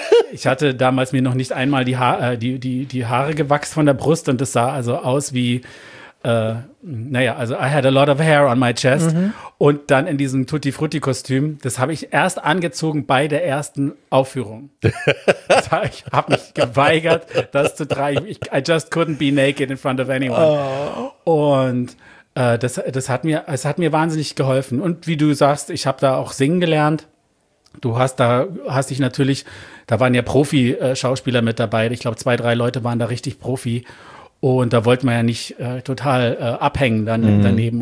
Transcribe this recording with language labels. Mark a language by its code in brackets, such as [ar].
[de] Ich hatte damals mir noch nicht einmal die Haare gewachsen von der Brust und das sah also aus wie, [en] I had a lot of hair on my chest. [de] Mhm. Und dann in diesem Tutti-Frutti-Kostüm, das habe ich erst angezogen bei der ersten Aufführung. Ich habe mich geweigert, das zu tragen. [en] I just couldn't be naked in front of anyone. Oh. [de] Und das hat mir wahnsinnig geholfen. Und wie du sagst, ich habe da auch singen gelernt. Du hast dich natürlich, da waren ja Profi-Schauspieler mit dabei. Ich glaube, 2, 3 Leute waren da richtig Profi. Und da wollte man ja nicht total abhängen dann daneben.